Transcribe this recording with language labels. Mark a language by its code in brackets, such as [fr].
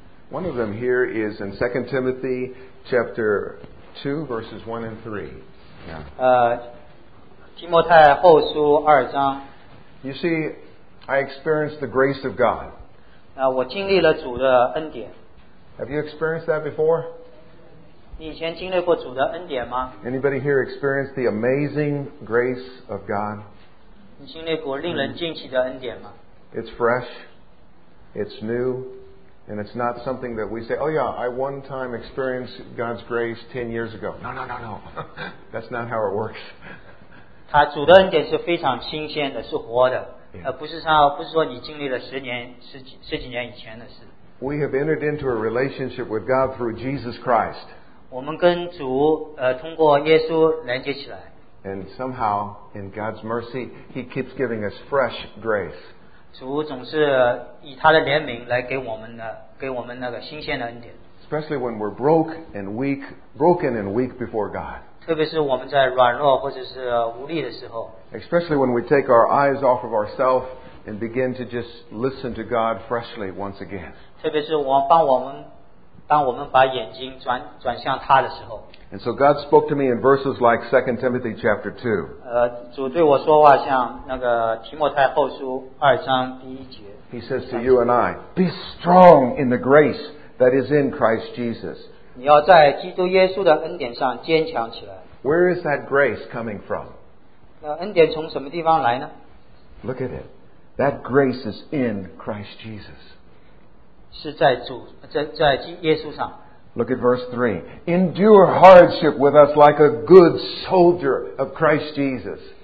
[en] One of them here is in 2 Timothy chapter 2, verses 1 and 3. Yeah. [zh] 提摩太后书2章. [en] You see, I experienced the grace of God. [zh] 我经历了主的恩典. [en] Have you experienced that before? [zh] 你以前经历过主的恩典吗? [en] Anybody here experienced the amazing grace of God? [zh] 你经历过令人惊奇的恩典吗? [en] It's fresh, it's new, And it's not something that we say, oh yeah, I one time experienced God's grace 10 years ago. No. That's not how it works. [zh] 他主的恩典是非常新鲜的，是活的，而不是说，不是说你经历了十年、十几年以前的事。 [en] We have entered into a relationship with God through Jesus Christ. [zh] 我们跟主，通过耶稣连接起来。 [en] And somehow, in God's mercy, He keeps giving us fresh grace. [zh] 主总是以他的怜悯来给我们的，给我们那个新鲜的恩典。 [en] Especially when we're broke and weak, broken and weak before God. [zh] 特别是我们在软弱或者是无力的时候 [en] especially when we take our eyes off of ourselves and begin to just listen to God freshly once again [zh] 特别是我帮我们当我们把眼睛 转向他的时候 [en] and so God spoke to me in verses like 2 Timothy chapter 2 [zh] 主对我说话像那个提摩太后书二章第一节 [en] He says to you and I be strong in the grace that is in Christ Jesus [zh] 你要在基督耶稣的恩典上坚强起来。 [en] Where is that grace coming from? [zh] 那恩典从什么地方来呢? [en] Look at it. That grace is in Christ Jesus. [zh] 是在主，在耶稣上。 [en] Look at verse 3. Endure hardship with us like a good soldier of Christ Jesus.